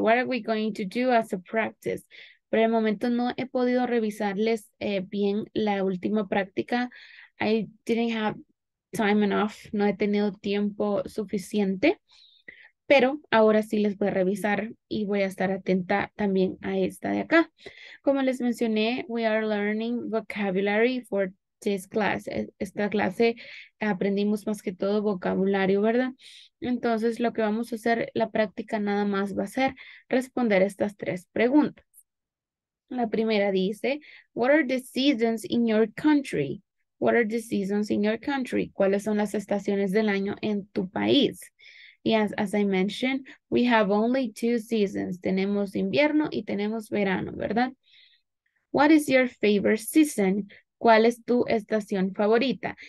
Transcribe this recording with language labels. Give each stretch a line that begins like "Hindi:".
English: What are we going to do as a practice?
Spanish: Por el momento no he podido revisarles bien la última práctica.
English: I didn't have time enough,
Spanish: no he tenido tiempo suficiente, pero ahora sí les voy a revisar y voy a estar atenta también a esta de acá. Como les mencioné,
English: we are learning vocabulary for this class.
Spanish: Esta clase aprendimos más que todo vocabulario, ¿verdad? Entonces lo que vamos a hacer, la práctica nada más va a ser responder estas tres preguntas. La primera dice,
English: what are the seasons in your country? What are the seasons in your country?
Spanish: ¿Cuáles son las estaciones del año en tu país?
English: Yes, as I mentioned, we have only two seasons.
Spanish: Tenemos invierno y tenemos verano, ¿verdad?
English: What is your favorite season?
Spanish: ¿Cuál es tu estación favorita?